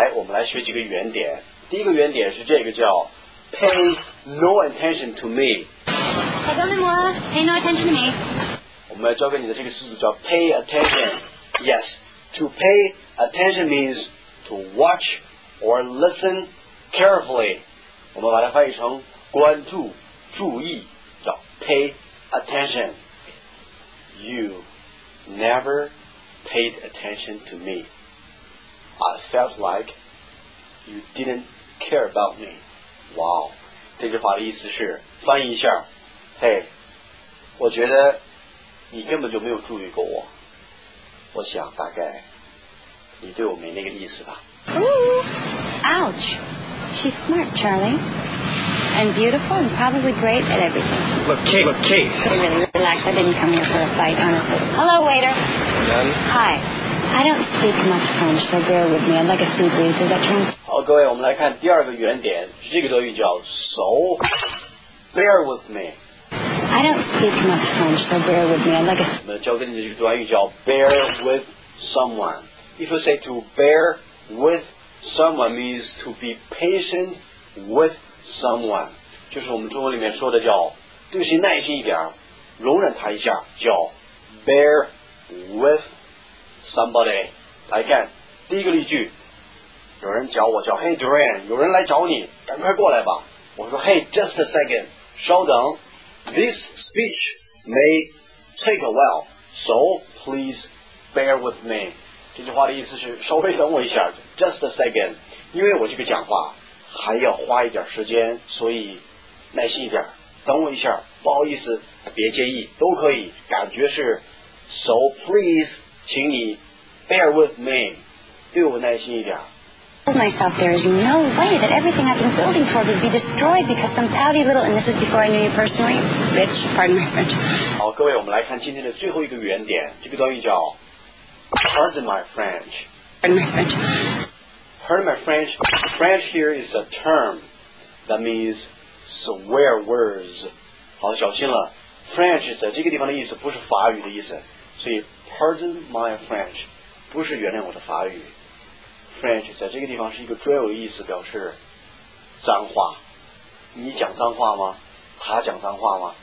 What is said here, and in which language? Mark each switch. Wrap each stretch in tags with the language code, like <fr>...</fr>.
<zh>好，看过这个片段，来，我们来学几个原点。第一个原点是这个叫</zh> <en>pay no attention to me.</en> <fr>Pardonnez-moi,</fr> <en>pay no attention to me.</en> <zh>我们要教给你的这个词组叫</zh> <en>pay attention. Yes, to pay attention means to watch or listen carefully.</en> <zh>我们把它翻译成关注、注意，叫</zh> <en>pay attention. You never paid attention to me. I felt like you didn't care about me. Wow.</en> <zh>这句话的意思是翻译一下，</zh> <en>hey,</en> <zh>我觉得你根本就没有注意过我，我想大概你对我没那个意思吧。</zh> <en>Ooh, ouch. She's smart, Charlie. And beautiful and probably great at everything. Look, Kate. Really relax. I didn't come here for a fight, honestly. Hello, waiter. Hi. I don't speak much French, so bear with me. I'm like a sea breeze. Is that true?</en> <zh>好，各位，我们来看第二个原点，这个短语叫 so.</zh> <en>Bear with me. I don't speak much French, so bear with me. I'm like a.</en> <zh>我们教给你的这个短语叫</zh> <en>bear with someone. If you say to bear with someone means to be patient with someone.</en> <zh>就是我们中文里面说的叫对谁耐心一点，容忍他一下，叫</zh> <en>bear with somebody.</en> <zh>来看第一个例句，有人叫我叫 Hey Duran， 有人来找你，赶快过来吧。我说</zh> <en>Hey, just a second，</en> <zh>稍等。</zh> <en>This speech may take a while, so please bear with me.</en> <zh>这句话的意思是稍微等我一下，</zh> <en>just a second，</en> <zh>因为我这个讲话还要花一点时间，所以耐心一点，等我一下，不好意思，别介意，都可以。感觉是</zh> <en>so please，</en> <zh>请你</zh> <en>bear with me，</en> <zh>对我耐心一点。</zh> <en>Myself, there is no way that everything I've been building toward would be destroyed because some pouty little, and this is before I knew you personally, bitch, pardon my French.</en> <zh>好，各位，我们来看今天的最后一个语言点，这个短语叫</zh> <en>pardon my French. Pardon my French. Pardon my French. French here is a term that means swear words.</en> <zh>好，小心了， French 在这个地方的意思不是法语的意思，所以</zh> <en>pardon my French</en> <zh>不是原谅我的法语。 French 在这个地方是一个专有的意思，表示脏话。你讲脏话吗？他讲脏话吗？</zh>